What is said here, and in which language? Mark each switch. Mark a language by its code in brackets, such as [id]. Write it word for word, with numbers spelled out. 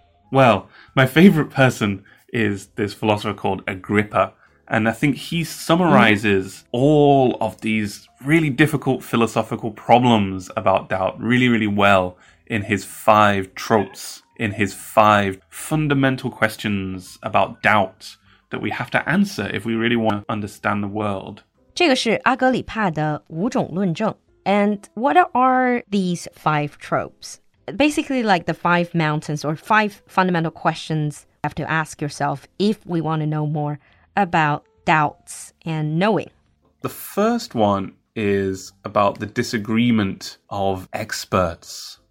[en] Well, my favorite person is this philosopher called Agrippa, and I think he summarizes all of these really difficult philosophical problems about doubt really, really well in his five tropes, in his five fundamental questions about doubt that we have to answer if we really want to understand the world. [zh] 这个是阿格里帕的五种论证. [en] And what are these five tropes? Basically, like the five mountains or five fundamental questions you have to ask yourself if we want to know more about doubts and knowing. The first one is about the disagreement of experts.